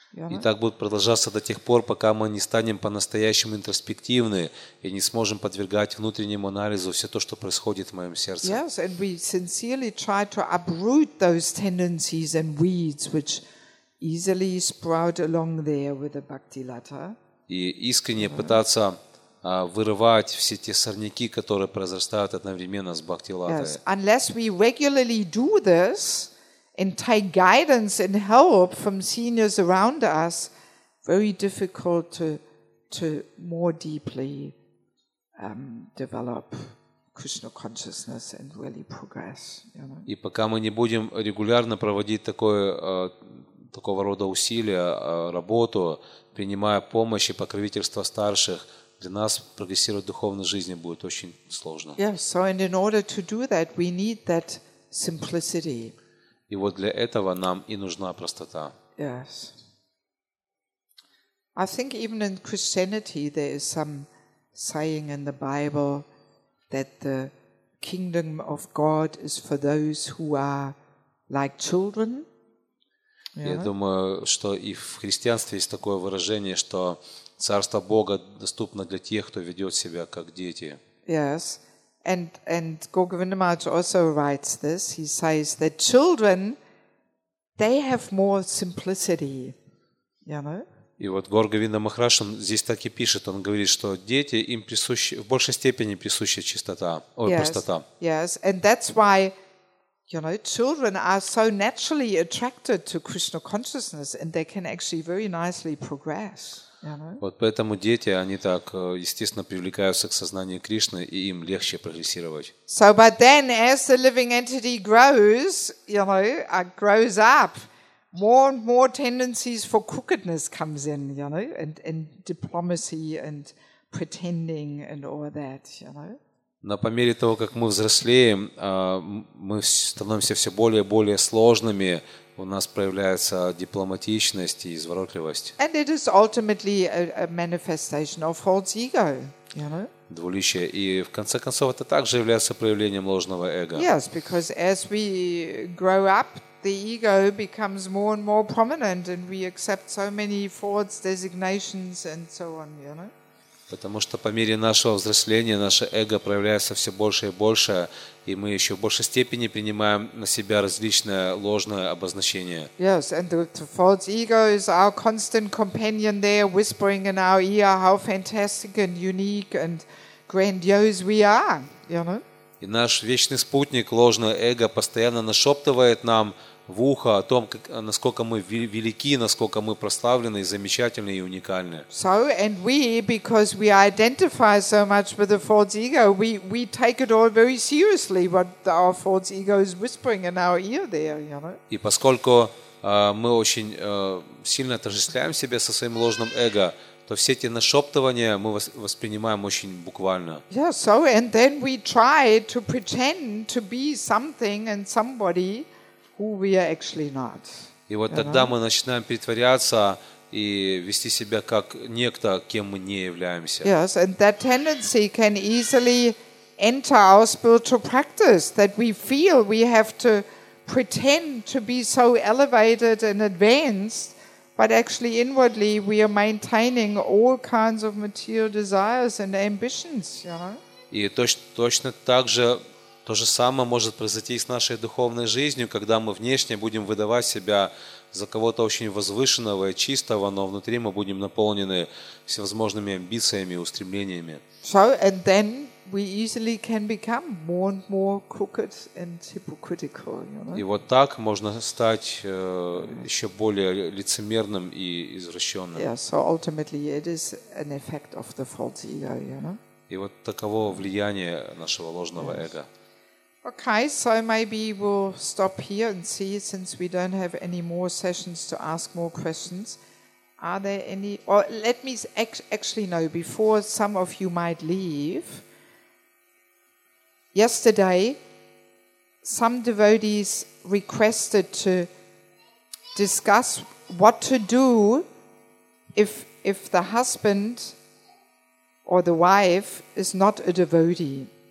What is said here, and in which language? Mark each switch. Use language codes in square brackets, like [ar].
[ru] И так будет продолжаться до тех пор, пока мы не станем по-настоящему интроспективны и не сможем подвергать внутреннему анализу все то, что происходит в моем сердце. [en] Yes, and we sincerely try to uproot those tendencies and weeds which easily sprout along there with a bhakti lata. [ru] И искренне пытаться вырывать все те сорняки, которые произрастают одновременно с бхакти латой. [en] Yes, unless we regularly do this and take guidance and help from seniors around us, very difficult to more deeply develop Krishna consciousness and really progress. You know? [ru] И пока мы не будем регулярно проводить такого рода усилия, работу, принимая помощь и покровительство старших, для нас прогрессировать в духовной жизни будет очень сложно. [en] Yes, so and in order to do that, we need that simplicity. [ru] И вот для этого нам и нужна простота. [en] Yes. I think even in Christianity there is some saying in the Bible that the kingdom of God is for those who are like children. Yeah. [ru] Я думаю, что и в христианстве есть такое выражение, что царство Бога доступно для тех, кто ведёт себя как дети. [en] Yes. And Gogo Vindemaj also writes this. He says that children, they have more simplicity. You know? [ru] И вот Горга Винда Махараш здесь так и пишет. Он говорит, что дети, им присущи, в большей степени присуща чистота, ой, [en] yes, [ru] простота. [en] Yes, and that's why, you know, children are so naturally attracted to Krishna consciousness and they can actually very nicely progress. [ru] Вот поэтому дети, они так, естественно, привлекаются к сознанию Кришны, и им легче прогрессировать. [en] So, but then, as the living entity grows, you know, grows up, more and more tendencies for crookedness comes in, you know, and diplomacy and pretending and all that, you know. [ru] Но по мере того, как мы взрослеем, мы становимся все более и более сложными, у нас проявляется дипломатичность и изворотливость. [en] And it is ultimately a manifestation of false ego, you know. [ru] Двуличие. И в конце концов это также является проявлением ложного эго. [en] Yes, because as we grow up, the ego becomes more and more prominent and we accept so many false designations and so on, you know. [ru] Потому что по мере нашего взросления наше эго проявляется все больше и больше, и мы еще в большей степени принимаем на себя различные ложные обозначения. [en] Yes, and the false ego is our constant companion there, whispering in our ear how fantastic and unique and grandiose we are, you know? [ru] И наш вечный спутник, ложное эго, постоянно нашептывает нам в ухо о том, как, насколько мы велики, насколько мы прославлены, замечательны и уникальны. [en] So, and we, because we identify so much with the false ego, we take it all very seriously, what our false ego is whispering in our ear there, you know? [ru] И поскольку мы очень сильно отождествляем себя со своим ложным эго, то все эти нашептывания мы воспринимаем очень буквально. [en] Yeah, so, and then we try to pretend to be something and somebody who we are actually not. [ru] И вот тогда мы начинаем притворяться и вести себя как некто, кем мы не являемся. [en] Yes, and that tendency can easily enter our spiritual practice, that we feel we have to pretend to be so elevated and advanced, but actually inwardly we are maintaining all kinds of material desires and ambitions, you know? [ru] И точно так же то же самое может произойти и с нашей духовной жизнью, когда мы внешне будем выдавать себя за кого-то очень возвышенного и чистого, но внутри мы будем наполнены всевозможными амбициями и устремлениями. [en] So, and then we easily can become more and more crooked and hypocritical, you know? [ru] И вот так можно стать еще более лицемерным и извращенным. [en] Yeah, so ultimately it is an effect of the false ego, you know? [ru] И вот таково влияние нашего ложного эго. [en] Okay, so maybe we'll stop here and see, since we don't have any more sessions to ask more questions. Are there any, or let me actually know, before some of you might leave, yesterday some devotees requested to discuss what to do if the husband or the wife is not a devotee.